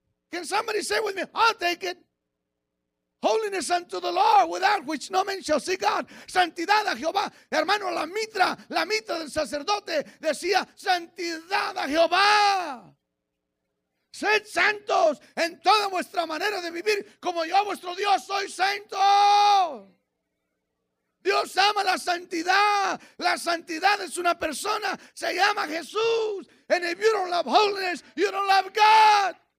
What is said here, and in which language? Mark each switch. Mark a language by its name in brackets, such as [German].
[English] Can somebody say with me, I'll take it. Holiness unto the Lord, without which no man shall see God. [Spanish] Santidad a Jehová. Hermano, la mitra del sacerdote decía, santidad a Jehová. Sed santos en toda vuestra manera de vivir, como yo vuestro Dios soy santo. Dios ama la santidad. La santidad es una persona, se llama Jesús. [English] And if you don't love holiness, you don't love God.